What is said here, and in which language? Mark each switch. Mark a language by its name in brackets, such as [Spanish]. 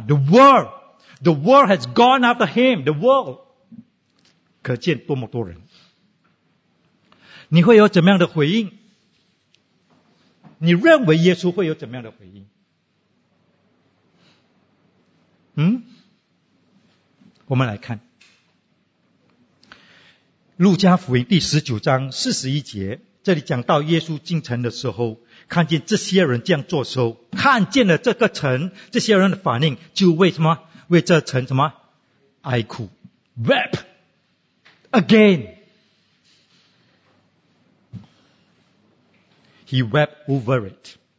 [English] The world has gone after him. [Chinese] The world， 可见多么多人。你会有怎么样的回应？你认为耶稣会有怎么样的回应？我们来看路加福音第19章41节，这里讲到耶稣进城的时候，看见这些人这样做的时候，看见了这个城，这些人的反应就为什么？为这城什么哀哭 Wept again， He wept over it。